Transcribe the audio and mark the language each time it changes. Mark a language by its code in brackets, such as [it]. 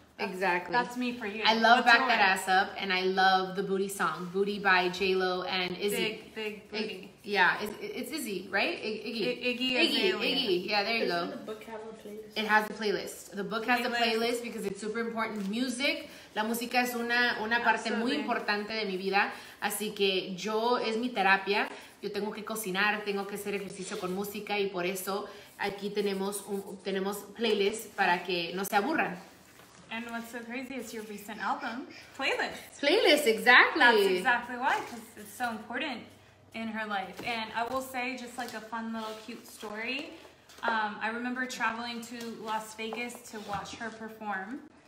[en] exactly, that's me for you. I love back that ass up, and I love the booty song, Booty by J-Lo and Izzy. Big booty. Yeah, it's Izzy, right? Iggy. Yeah, there you go. Doesn't the book have a playlist? It has a playlist. The book has a playlist because it's super important. [es] Music, la música es una parte muy importante de mi vida. Así que yo, es mi terapia. Yo tengo que cocinar, tengo que hacer ejercicio con música y por eso aquí tenemos playlist para que no se aburran. [en] And what's so crazy is your recent album, Playlist. Playlist, exactly. That's exactly why, because it's so important in her life. And I will say, just like a fun little cute story, I remember traveling to Las Vegas to watch her perform.